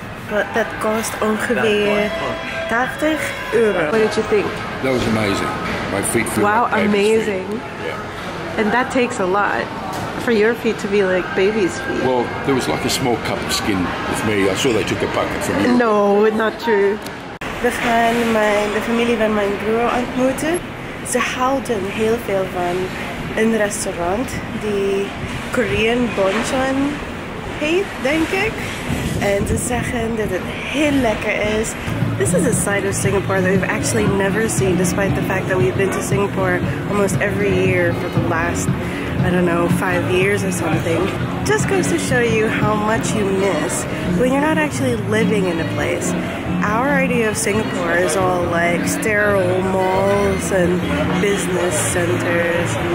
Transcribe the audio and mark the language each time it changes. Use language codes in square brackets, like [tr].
[en] But that cost [nl] ongeveer 80 euro. [en] What did you think? That was amazing. My feet feel wow, like amazing. Feet. Yeah. And that takes a lot for your feet to be like baby's feet. Well, there was like a small cup of skin with me. I saw they took a bucket from you. No, not true. [nl] We gaan de familie van mijn broer ontmoeten. Ze houden heel veel van een restaurant die Korean Bonchon heet, denk ik. En ze zeggen dat het heel lekker is. [en] This is a side of Singapore that we've actually never seen, despite the fact that we've been to Singapore almost every year for the last, I don't know, 5 years or something. Just goes to show you how much you miss when you're not actually living in a place. Our idea of Singapore is all like sterile malls and business centers.